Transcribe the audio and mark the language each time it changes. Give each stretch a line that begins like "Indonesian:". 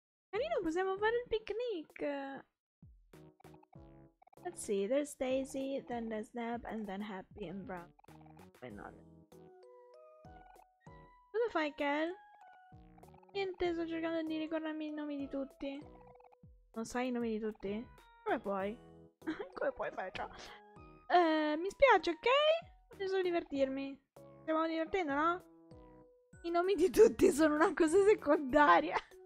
Italian: Carino, possiamo fare il picnic.
English: Let's see, there's Daisy, then there's Neb, and then Happy and Brown. Wait, no.
Italian: Cosa fai, Kel? Niente, sto cercando di ricordarmi i nomi di tutti. Non sai i nomi di tutti? Come puoi? Come puoi, Becca? Mi spiace, ok? Voglio solo divertirmi. Stiamo divertendo, no? I nomi di tutti sono una cosa secondaria.